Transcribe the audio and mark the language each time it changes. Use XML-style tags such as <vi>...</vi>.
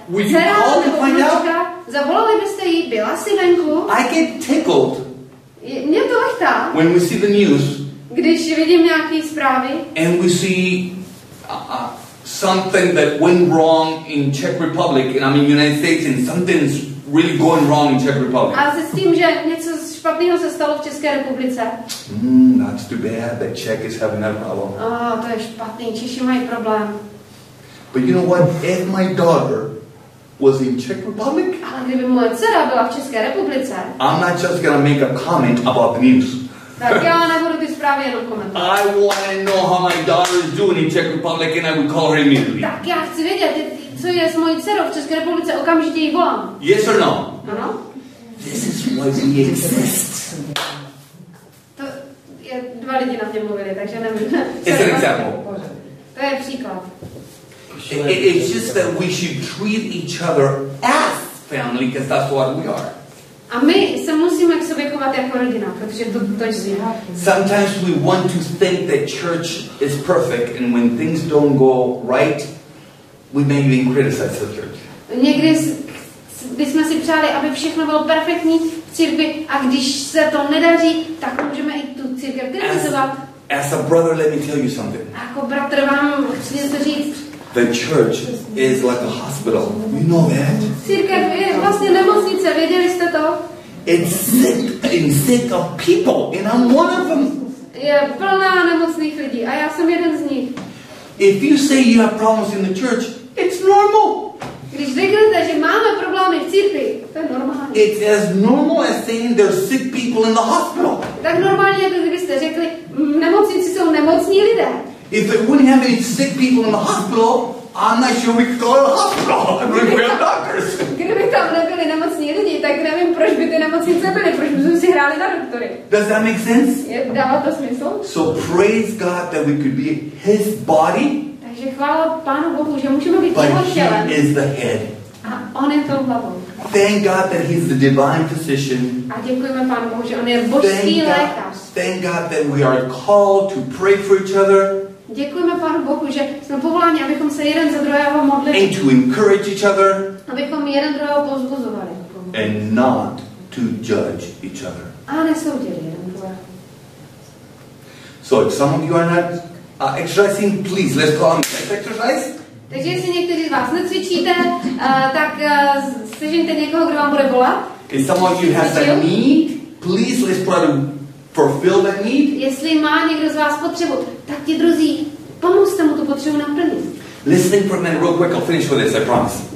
<cs>Zera nebo vnučka, zavolali byste jí, byla jsi venku.</cs> <en>I get tickled.</en> <cs>Mě to lechtá.</cs> <en>When we see the news.</en> <cs>Když vidím nějaké zprávy.</cs> <en>And we see something that went wrong in Czech Republic, and I'm in the United States, and something's really going wrong in Czech Republic.</en> <cs>A zjistím, že něco špatného se stalo v České republice.</cs> <en>That's too bad that Czech is having that problem.</en> <cs>To je špatný, Češi mají problém.</cs> <en>But you know what? If my daughter was in Czech Republic,</en> <cs>ale kdyby moje dcera byla v České republice,</cs> <en>I'm not just gonna make a comment about the news.</en> <cs>Tak já nebudu ty zprávy jenom komentovat.</cs> <en>I want to know how my daughter is doing in Czech Republic, and I would call her immediately.</en> <cs>Tak já chci vědět, co je s mojí dcerou v České republice, okamžitě jí volám.</cs> <en>Yes or no?</en> <cs>Ano.</cs> <en>This is why we exist.</en> <cs>To je dva lidi na mě mluvili, takže nevím.</cs> <en>It's an example.</en> <cs>To je příklad.</cs> <en>It's just that we should treat each other as family, because that's what we are.</en> <cs>A my se musíme k sobě chovat jako rodina, protože to je.</cs> <en>Sometimes we want to think that church is perfect, and when things don't go right, we may even criticize the church.</en> <cs>Někdy bychom si přáli, aby všechno bylo perfektní v církvi, a když se to nedaří, tak můžeme i tu církev kritizovat.</cs> <en>As a brother, let me tell you something.</en> <cs>Jako bratr vám chci něco říct.</cs> <en>The church is like a hospital. You know that?</en> <cs>Církev je vlastně nemocnice, věděli jste to?</cs> <en>It's sick of people, and I'm one of them.</en> <cs>Je plná nemocných lidí a já jsem jeden z nich.</cs> <en>If you say you have problems in the church, it's normal.</en> <cs>Když řeknete, že máme problémy v církvi, to je normální.</cs> <en>it's as normal as saying there's sick people in the hospital.</en> <cs>Tak normálně, kdybyste řekli, nemocnici jsou nemocní lidé.</cs> <en>If they wouldn't have any sick people in the hospital, I'm not sure we could go to the hospital. I mean, we have doctors.</en> <cs>Kdyby tam nebyli nemocní lidi, tak nevím, proč by ty nemocnice byly, proč by si hráli na doktory.</cs> <en>Does that make sense?</en> <cs>Dává to smysl?</cs> <en>So praise God that we could be his body.</en> <cs>Takže chvála Pánu Bohu, že můžeme být jeho tělem.</cs> <en>But he is the head.</en> <cs>A on je tou hlavou.</cs> <en>Thank God that he's the divine physician.</en> <cs>A děkujeme Pánu Bohu, že on je božský lékař.</cs> <en>Thank God that we are called to pray for each other.</en> <cs>Děkujeme Pánu Bohu, že jsme povoláni, abychom se jeden za druhého modlili.</cs> <en>And to encourage each other.</en> <cs>Abychom jeden druhého povzbuzovali.</cs> <en>And not to judge each other.</en> <cs>A nesoudili jeden druhého.</cs> <en>So if some of you are not exercising, please let's go on exercise.</en> <cs>Takže jestli někteří z vás necvičíte, tak sežeňte někoho, kdo vám bude volat.</cs> <en>If some of you have that need, please let's try to fulfill that need.</en> <cs>Jestli má někdo z vás potřebu, tak ti druzí, pomůžte mu tu potřebu naplnit.</cs> <en>Listen for a minute, real quick, I'll finish with this, I promise.</en>